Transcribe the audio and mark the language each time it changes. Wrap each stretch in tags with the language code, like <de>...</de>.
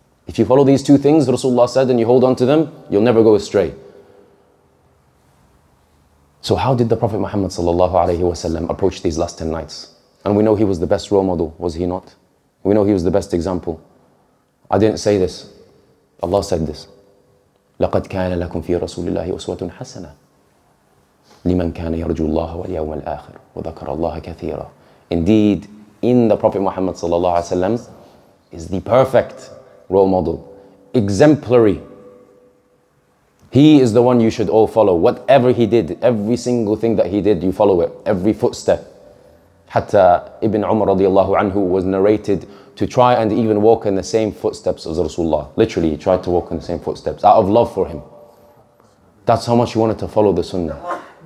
<en>If you follow these two things, Rasulullah said, and you hold on to them, you'll never go astray. So how did the Prophet Muhammad sallallahu alayhi wa sallam approach these last 10 nights? And we know he was the best role model, was he not? We know he was the best example. I didn't say this. Allah said this.</en> <ar>لَقَدْ كَانَ لَكُمْ فِي رَسُولِ اللَّهِ أُسْوَةٌ حَسَنَةٌ لِمَنْ كَانَ يَرْجُو اللَّهَ وَالْيَوْمَ الْآخِرِ وَذَكَرَ اللَّهَ كَثِيرًا</ar> <en>Indeed, in the Prophet Muhammad sallallahu alayhi wa sallam is the perfect role model. Exemplary. He is the one you should all follow. Whatever he did, every single thing that he did, you follow it. Every footstep. Hatta Ibn Umar radiallahu anhu was narrated to try and even walk in the same footsteps as Rasulullah. Literally, he tried to walk in the same footsteps out of love for him. That's how much he wanted to follow the Sunnah.</en>